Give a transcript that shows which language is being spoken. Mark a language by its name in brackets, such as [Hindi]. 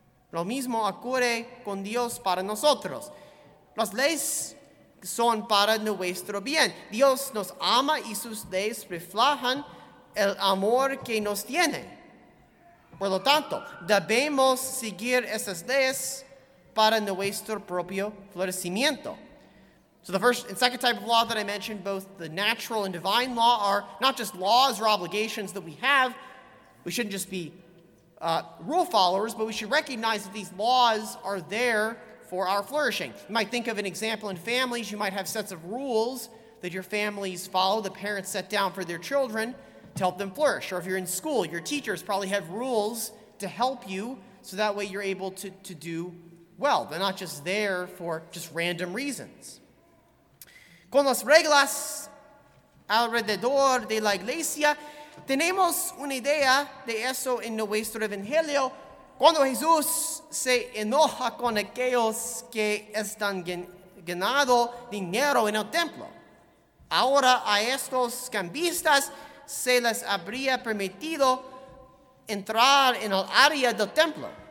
[Spanish] Lo mismo ocurre con Dios para nosotros. Las leyes son para nuestro bien. Dios nos ama y sus leyes reflejan el amor que nos tiene. Por lo tanto, debemos seguir esas leyes para nuestro propio florecimiento. [English] So the first and second type of law that I mentioned, both the natural and divine law, are not just laws or obligations that we have. We shouldn't just be rule followers, but we should recognize that these laws are there for our flourishing. You might think of an example in families. You might have sets of rules that your families follow, the parents set down for their children to help them flourish. Or if you're in school, your teachers probably have rules to help you so that way you're able to do well. They're not just there for just random reasons. [Spanish] Con las reglas alrededor de la iglesia, tenemos una idea de eso en nuestro evangelio. Cuando Jesús se enoja con aquellos que están ganando dinero en el templo, ahora a estos cambistas se les habría permitido entrar en el área del templo.